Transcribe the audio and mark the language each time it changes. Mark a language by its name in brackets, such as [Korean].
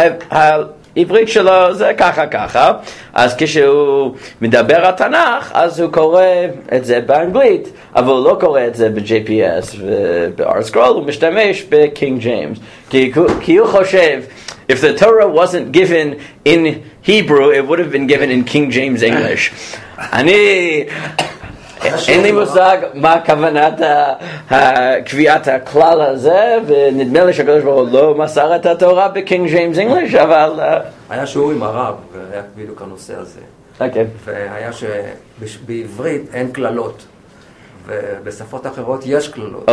[Hebrew] העברית שלו זה ככה. אז כשהוא מדבר על תנך, אז הוא קורא את זה באנגלית, אבל הוא לא קורא את זה ב-JPS וב-R scroll, הוא משתמש ב-King James. כי הוא חושב, [English] if the Torah wasn't given in Hebrew, it would have been given in King James English. [Hebrew] אני... אין לי מושג מה כוונת קביעת הכלל הזה, ונדמה לי שהקדוש ברוך הוא לא מסר את התורה בקינג ג'יימס אנגליש, אבל... היה שיעור עם הרב, והיה בדיוק הנושא הזה. אוקיי. והיה שבעברית אין קללות, ובשפות אחרות יש קללות.